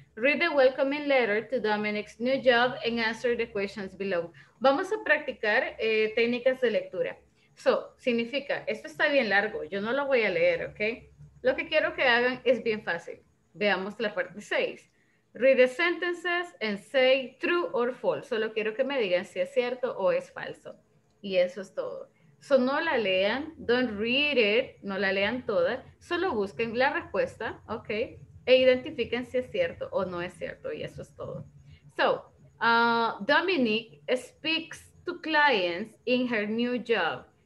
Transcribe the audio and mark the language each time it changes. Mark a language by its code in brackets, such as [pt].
[en] read the welcoming letter to Dominic's new job and answer the questions below. [es] Vamos a practicar técnicas de lectura. So, significa, esto está bien largo, yo no lo voy a leer, ¿ok? Lo que quiero que hagan es bien fácil. Veamos la parte 6. [en] Read the sentences and say true or false. [es] Solo quiero que me digan si es cierto o es falso. Y eso es todo. So, no la lean, [en] don't read it, [es] no la lean toda. Solo busquen la respuesta, ¿ok? E identifiquen si es cierto o no es cierto. Y eso es todo. [en] So, Dominic speaks to clients in her new job.